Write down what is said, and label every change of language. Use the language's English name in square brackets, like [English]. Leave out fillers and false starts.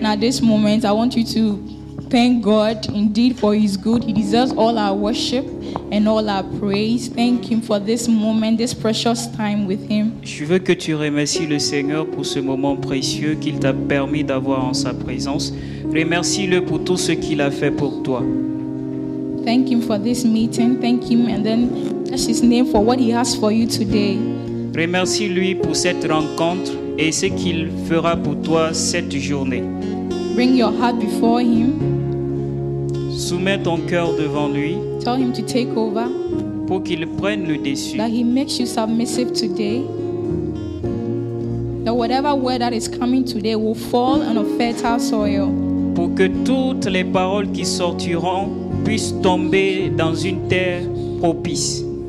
[English] Now, at this moment, I want you to thank God indeed for his good. He deserves all our worship and all our praise. Thank him for this moment, this precious time with him. [French] Je veux que tu remercies le Seigneur pour ce moment précieux qu'il t'a permis d'avoir en sa présence. Remercie-le pour tout ce qu'il a fait pour toi. [English] Thank him for this meeting. Thank him and then bless his name for what he has for you today. [French] Remercie-lui pour cette rencontre et ce qu'il fera pour toi cette journée. [English] Bring your heart before him. [French] Soumets ton cœur devant lui. [English] Tell him to take over. [French] Pour qu'il prenne le dessus. [English] That he makes you submissive today. That whatever word that is coming today will fall on a fertile soil. [French] Pour que toutes les paroles qui sortiront puissent tomber dans une terre propice.